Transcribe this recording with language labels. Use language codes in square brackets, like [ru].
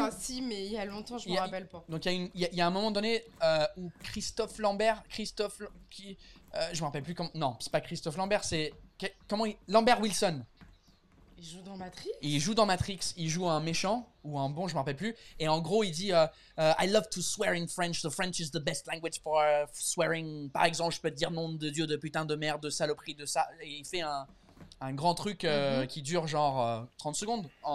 [fr] Enfin, si, mais il y a longtemps, je m'en rappelle pas. Donc, il y a un moment donné où Christophe Lambert. Je me rappelle plus comment. Non, c'est pas Christophe Lambert, c'est. Lambert Wilson. Il joue dans Matrix. Il joue un méchant ou un bon, je me rappelle plus. Et en gros, il dit [en] I love to swear in French. The French is the best language for swearing. [fr] Par exemple, je peux te dire nom de Dieu, de putain, de merde, de saloperie, de ça. Et il fait un grand truc qui dure genre 30 secondes.